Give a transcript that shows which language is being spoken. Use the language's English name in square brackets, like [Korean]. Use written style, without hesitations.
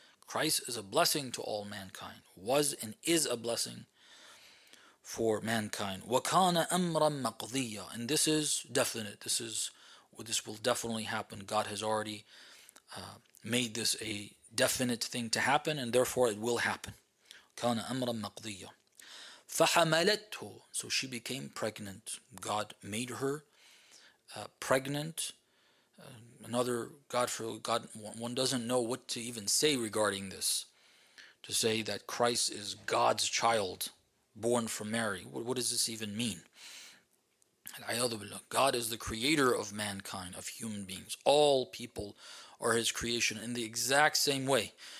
[English] Christ is a blessing to all mankind, was and is a blessing for mankind. [Arabic] وَكَانَ أَمْرًا مَقْضِيًّا [English] and this is definite, this will definitely happen. God has already made this a definite thing to happen, and therefore it will happen. [Arabic] كَانَ أَمْرًا مَقْضِيًّا فَحَمَلَتْهُ [English] so she became pregnant. God made her pregnant. One doesn't know what to even say regarding this. To say that Christ is God's child, born from Mary. What does this even mean? God is the creator of mankind, of human beings. All people are His creation in the exact same way.